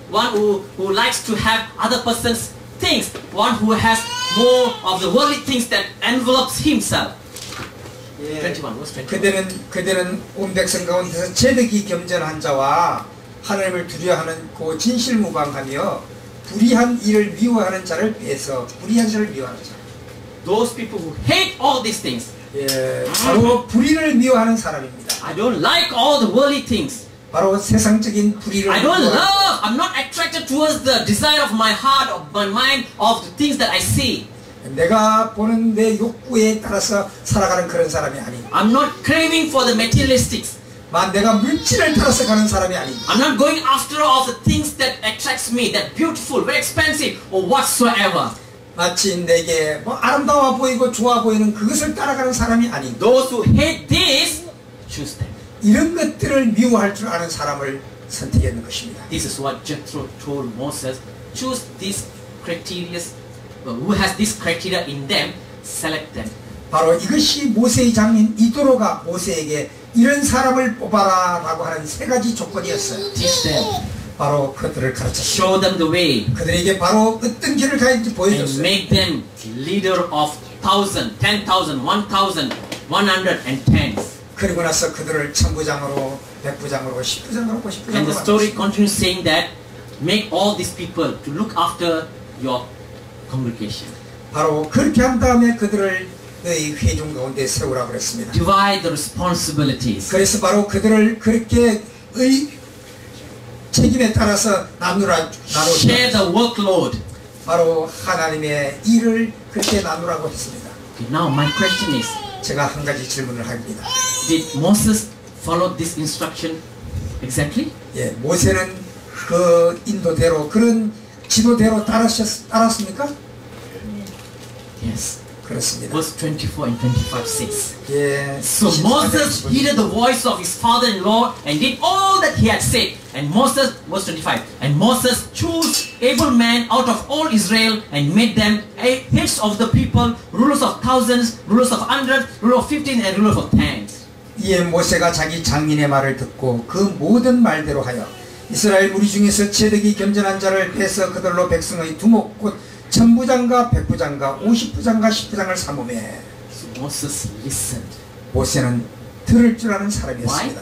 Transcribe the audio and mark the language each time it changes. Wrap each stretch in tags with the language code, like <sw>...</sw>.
<en>One who likes to have other person's things. One who has more of the worldly things that envelops himself. 21.</en> <ko>그들은 온 백성 가운데서 재력이 겸전한 자와 하나님을 두려워하는 그 진실 무방하며 불의한 일을 미워하는 자를 빼서 불의한 자를 미워하는 자.</ko> <en>Those people who hate all these things.</en> <ko>예, 바로 불의를 미워하는 사람입니다.</ko> <en>I don't like all the worldly things.</en> <ko>바로 세상적인 불의를</ko> <en>I don't love. I'm not attracted towards the desire of my heart, of my mind, of the things that I see.</en> <ko>내가 보는 내 욕구에 따라서 살아가는 그런 사람이 아니.</ko> <en>I'm not craving for the materialistic.</en> <ko>내가 물질을 따라서 가는 사람이 아니.</ko> <en>I'm not going after all the things that attracts me, that beautiful, very expensive, or whatsoever.</en> <ko>마치 내게 뭐 아름다워 보이고 좋아 보이는 그것을 따라가는 사람이 아닌</ko> <en>Those who hate this, choose them.</en> <ko>이런 것들을 미워할 줄 아는 사람을 선택하는 것입니다.</ko> <en>This is what Jethro told Moses. Choose these criteria. Who has this criteria in them? Select them.</en> <ko>바로 이것이 모세의 장인 이도로가 모세에게 이런 사람을 뽑아라 라고 하는 세 가지 조건이었어요.</ko> <en>Teach them.</en> <ko>바로 그들을 가르쳐</ko> <en>show them the way.</en> <ko>그들에게 바로 어떤 길을 가야 할지 보여줬어요.</ko> <en>Make them leader of 1000, 10,000, 1,000, 110.</en> <ko>그리고 나서 그들을 천부장으로, 백부장으로, 십부장으로, 십부장으로.</ko> <en>And the story continues saying that make all these people to look after your congregation.</en> <ko>바로 그렇게 한 다음에 그들을 너희 회중 가운데 세우라 그랬습니다.</ko> <en>Divide the responsibilities.</en> <ko>그래서 바로 그들을 그렇게 의 책임에 따라서 나누라 나누라.</ko> <en>Share the workload.</en> <ko>바로 하나님의 일을 그렇게 나누라고 했습니다.</ko> <en>Okay, now my question is.</en> <ko>제가 한 가지 질문을 합니다.</ko> <en>Did Moses follow this instruction exactly?</en> <ko>예, 모세는 그 인도대로 그런 지도대로 따랐습니까?</ko> <en>Yes.</en> <ko>그렇습니다.</ko> <en>Verse 24 and 25 says.</en> <ko>예.</ko> <en>So Moses heeded the voice of his father-in-law and did all that he had said. And Moses, verse 25. And Moses chose able men out of all Israel and made them heads of the people, rulers of thousands, rulers of hundreds, rulers of fifteen, and rulers of tens.</en> <ko>예, 모세가 자기 장인의 말을 듣고 그 모든 말대로 하여 이스라엘 무리 중에서 체득이 겸전한 자를 빼서 그들로 백성의 두목 곧 천부장과 백부장과 오십부장과 십부장을 삼음해.</ko> <en>So Moses listened.</en> <ko>모세는 들을 줄 아는 사람이었습니다.</ko>